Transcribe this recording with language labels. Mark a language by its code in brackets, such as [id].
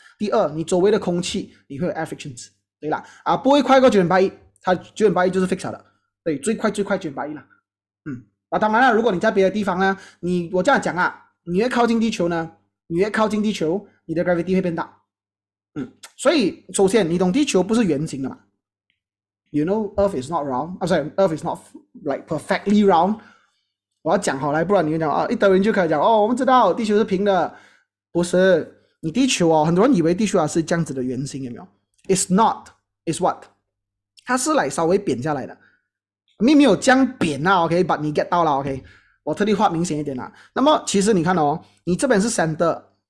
[zh] 第二，你周围的空气，你会有 air frictions。对啦，啊，不会快过9.81，它9.81就是 fix 的。对，最快9.81了。嗯，啊，当然了，如果你在别的地方呢，我这样讲啊，你越靠近地球呢，你越靠近地球，你的 gravity 会变大。嗯，所以首先你懂地球不是圆形的嘛？ [en] You know, Earth is not round. I'm sorry, Earth is not like perfectly round. [zh] 我要讲好来，不然你就讲啊，一堆人就开始讲哦。我们知道地球是平的，不是你地球哦。很多人以为地球啊是这样子的圆形，有没有 ？ [en] It's not. It's what? [zh] 它是来稍微扁下来的，没有这样扁啊。 OK， but 你 get 到了。OK， 我特地画明显一点啦。那么其实你看哦，你这边是 center.